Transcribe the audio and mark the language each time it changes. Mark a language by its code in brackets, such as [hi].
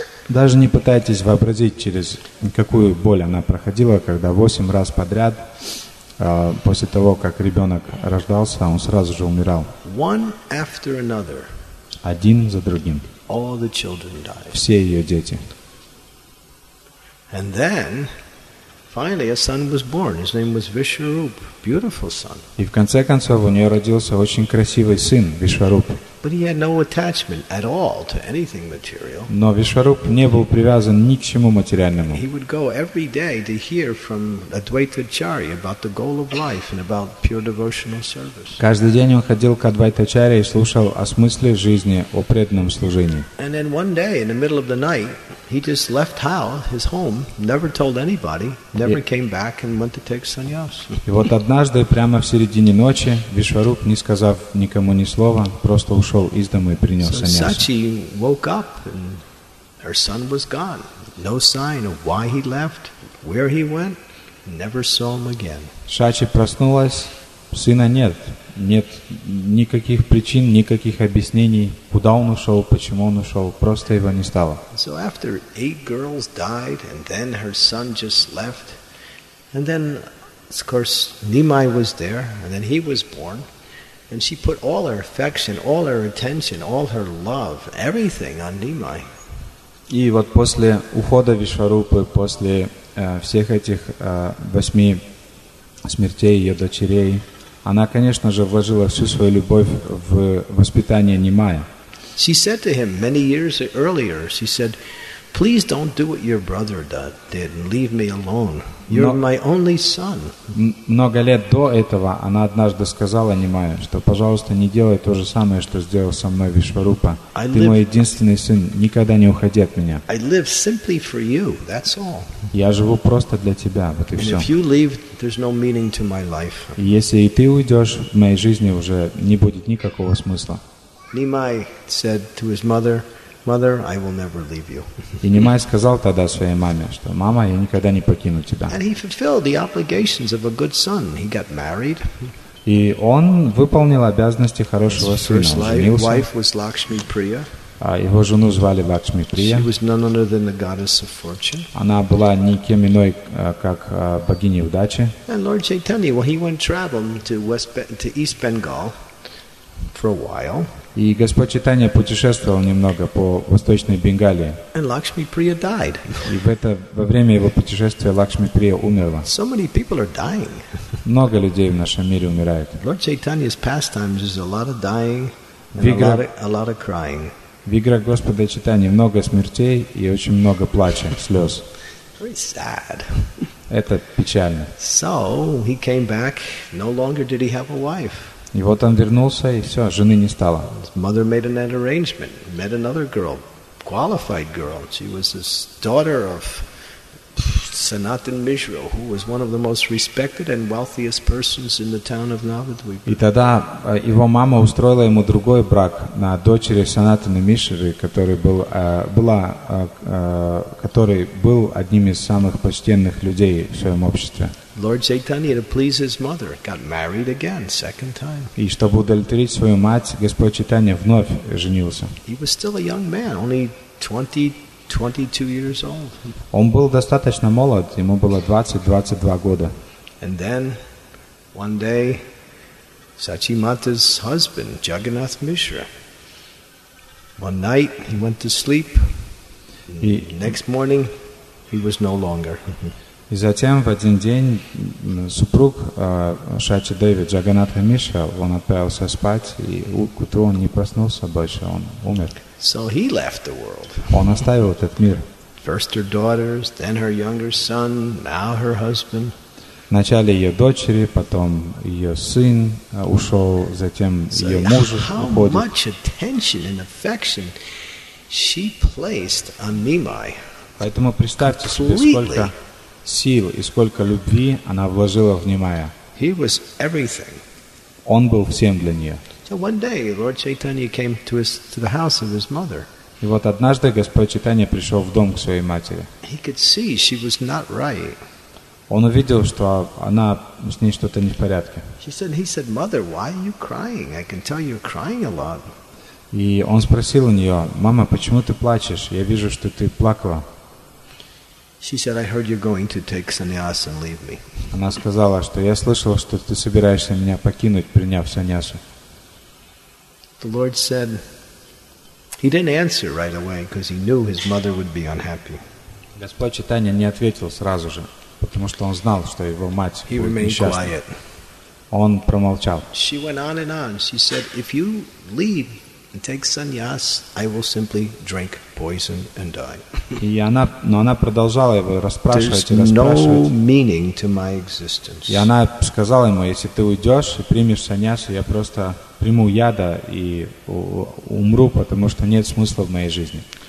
[ru] Даже не пытайтесь вообразить, через какую боль она проходила, когда 8 раз подряд, после того, как ребенок рождался, он сразу же умирал. [en] One after another. [ru] Один за другим. [en] All the children died. [ru] Все ее дети. [en] And then, finally, a son was born. His name was Vishwarup. Beautiful son. [ru] И в конце концов у нее родился очень красивый сын, Вишваруп. [en] But he had no attachment at all to anything material. [ru] Но Вишваруп не был привязан ни к чему материальному. [en] He would go every day to hear from Advaitacharya about the goal of life and about pure devotional service. [ru] Каждый день он ходил к Адвайтачарье и слушал о смысле жизни, о преданном служении. [en] And then one day, in the middle of the night, he just left his home, never told anybody, never came back and went to take sannyas. [ru] И вот однажды, прямо в середине ночи, Вишваруп, не сказав никому ни слова, просто ушел из дома и принес саньяс. [en] Sachi woke up and her son was gone. No sign of why he left, where he went, never saw him again. [ru] Шачи проснулась, сына нет. Нет никаких причин, никаких объяснений, куда он ушел, почему он ушел, просто его не стало. [en] So after 8 girls died, and then her son just left, and then, of course, Nimai was there, and then he was born, and she put all her affection, all her attention, all her love, everything on Nimai. [ru] И вот после ухода Вишварупы, после всех этих 8 смертей ее дочерей, она, конечно же, вложила всю свою любовь в воспитание Нимая. [en] She said to him many years earlier, she said, please don't do what your brother did and leave me alone. You're my only son. [ru] Много лет до этого она однажды сказала Нимаю, что, пожалуйста, не делай то же самое, что сделал со мной Вишварупа. Ты мой единственный сын, никогда не уходи от меня. [en] I live simply for you, that's all. [ru] Я живу просто для тебя, вот и все. [en] And if you leave, there's no meaning to my life. [ru] Если и ты уйдешь, в моей жизни уже не будет никакого смысла. [en] Nimai said to his mother, Mother, I will never leave you. [ru] И Нимай сказал тогда своей маме, что мама, я никогда не покину тебя. [en] And he fulfilled the obligations of a good son. He got married. [ru] И он выполнил обязанности хорошего сына. [en] His first wife was Lakshmi Priya. [ru] Его жену звали Лакшми Прия. [en] She was none other than the goddess of fortune. [ru] Она была никем иной, как богиня удачи. [en] And Lord Chaitanya, well, he went traveling to East Bengal for a while. [ru] И Господь Читания путешествовал немного по восточной Бенгалии. [en] And Lakshmi Priya died. [ru] И во время его путешествия Лакшми Прия умерла. [en] So many people are dying. [ru] Много людей в нашем мире умирает. [en] Lord Chaitanya's pastimes is a lot of dying and a lot of crying. [ru] В играх Господа Читания много смертей и очень много плача, слез. [en] Very sad. [ru] Это печально. [en] So he came back. No longer did he have a wife. [ru] И вот он вернулся, и все, жены не стало. [en] His mother made an arrangement, met another girl, qualified girl. She was the daughter of Sanatan Mishra, who was one of the most respected and wealthiest persons in the town of Navadvipa. [ru] И тогда его мама устроила ему другой брак на дочери Санатана Мишры, который был который был одним из самых почтенных людей в своем обществе. [en] Lord Chaitanya, to please his mother, got married again, second time. [ru] И чтобы удовлетворить свою мать, Господь Чайтанья вновь женился. [en] He was still a young man, only 22 years old. [ru] Он был достаточно молод, ему было 20-22 года. [en] And then, one day, Sachimata's husband, Jagannath Mishra, one night he went to sleep, next morning he was no longer. [ru] И затем в один день супруг Шачи Деви, Джаганнатха Мишра, он отправился спать, и к утру он не проснулся больше, он умер. [en] So he left the world. [ru] Он оставил этот мир. [en] First her daughters, then her younger son, now her husband. [ru] Вначале ее дочери, потом ее сын ушел, затем ее муж уходит. [en] How much attention and affection she placed on Nimai. [ru] Поэтому представьте себе, сколько сил и сколько любви она вложила в Нимая. [en] He was everything. [ru] Он был всем для нее. [en] So one day, Lord Chaitanya came to the house of his mother. [ru] И вот однажды Господь Чайтанья пришел в дом к своей матери. [en] He could see she was not right. [ru] Он увидел, что она с ней что-то не в порядке. [en] He said, "Mother, why are you crying? I can tell you're crying a lot." [ru] И он спросил у нее: "Мама, почему ты плачешь? Я вижу, что ты плакала." [en] She said, "I heard you're going to take sannyas and leave me." [ru] Она сказала, что я слышала, что ты собираешься меня покинуть, приняв саньясу. [en] The Lord said, he didn't answer right away because he knew his mother would be unhappy. [ru] Господь Чайтанья не ответил сразу же, потому что он знал, что его мать будет несчастна. [en] He remained quiet. [ru] Он промолчал. [en] She went on and on. She said, "If you leave and take sannyas, I will simply drink poison and die." [ru] И она, но она продолжала его расспрашивать. [en] There's no meaning to my existence. [ru] И она сказала ему: "Если ты уйдешь и примешь саньяс, я просто приму яда и умру, потому что нет смысла в моей жизни."